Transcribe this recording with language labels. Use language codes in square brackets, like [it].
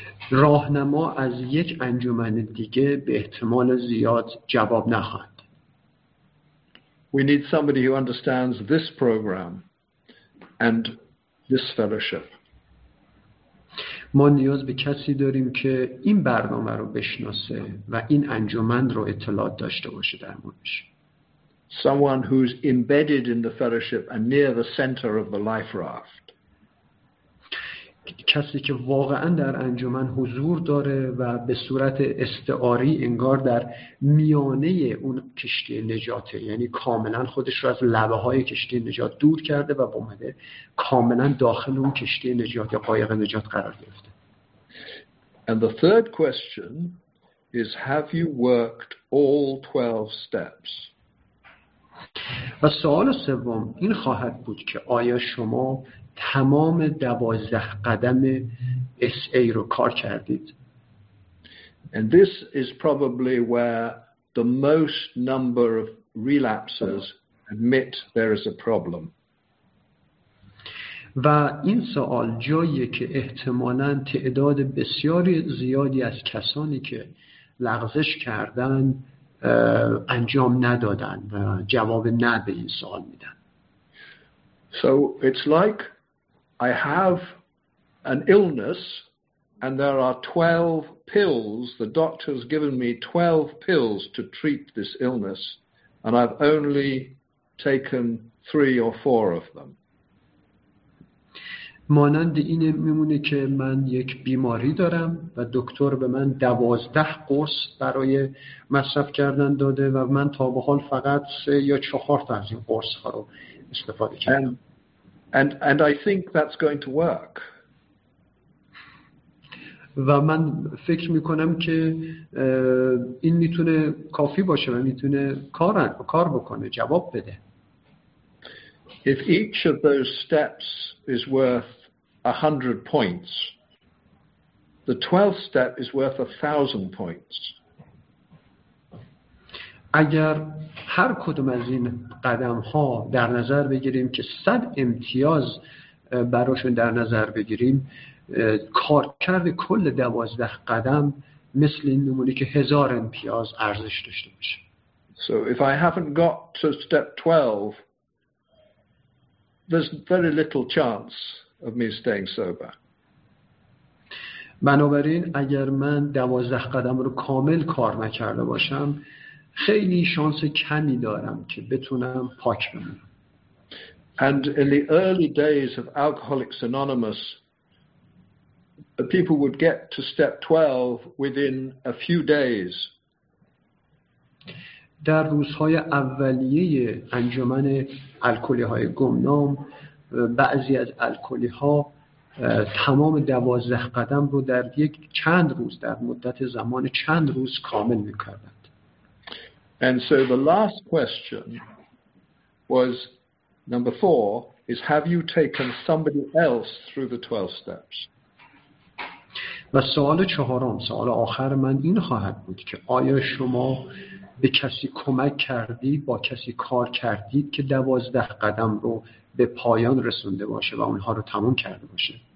[fa] راهنما از یک انجمن دیگه به احتمال زیاد جواب نخواهد. [en] We need somebody who understands this program and this fellowship. [fa] ما نیاز به کسی داریم که این برنامه رو بشناسه و این انجمن رو اطلاعات داشته باشه در موردش. [en] Someone who's embedded in the fellowship and near the center of the life raft. [fa] کسی که واقعا در انجمن حضور داره و به صورت استعاری انگار در میانه اون کشتی نجاته، یعنی کاملا خودش رو از لبه های کشتی نجات دور کرده و اومده کاملا داخل اون کشتی نجات یا قایق نجات قرار گرفته. [en] And the third question is, have you worked all 12 steps? [fa] و سوال سوم این خواهد بود که آیا شما تمام 12 قدم SA رو کار کردید؟ [en] And this is probably where the most number of relapses admit there is a problem. [fa] و این سوال جاییه که احتمالاً تعداد بسیار زیادی از کسانی که لغزش کردن انجام ندادن و جواب نه به این سوال میدن. [en] So it's like I have an illness and there are 12 pills. The doctor's given me 12 pills to treat this illness and I've only taken 3 or 4 of them. [fa] مانند این میمونه که من یک بیماری دارم و دکتر به من 12 قرص برای مصرف کردن داده و من تا به حال فقط 3 یا 4 تا از این قرص ها رو استفاده کردم. [en] And I think that's going to work. [fa] و من فکر میکنم که این میتونه کافی باشه و میتونه کار بکنه، جواب بده. [en] If each of those steps is worth 100 points, the 12th step is worth 1,000 points. [fa] اگر هر کدوم از این قدم ها در نظر بگیریم که 100 امتیاز براشون در نظر بگیریم، کارکرد کل 12 قدم مثل این نمونه که 1,000 امتیاز ارزش داشته باشه. [en] So if I haven't got to step 12, there's very little chance of me staying sober. [fa] بنابراین اگر من 12 قدم رو کامل کار نکرده باشم، خیلی شانس کمی دارم که بتونم پاک بمونم. [en] And in the early days of Alcoholics Anonymous, people would get to step 12 within a few days. [fa] در روزهای اولیه انجمن الکلی‌های گمنام، بعضی از الکلی‌ها تمام 12 قدم رو در یک چند روز، در مدت زمان چند روز کامل می‌کردند. [en] And so the last question was number 4 is have you taken somebody else through the 12 steps? [fa] و سوال چهارم، سوال آخر من این خواهد بود که آیا شما به کسی کمک کردید، با کسی کار کردید که 12 قدم رو به پایان رسونده باشه و اونها رو تمام کرده باشه؟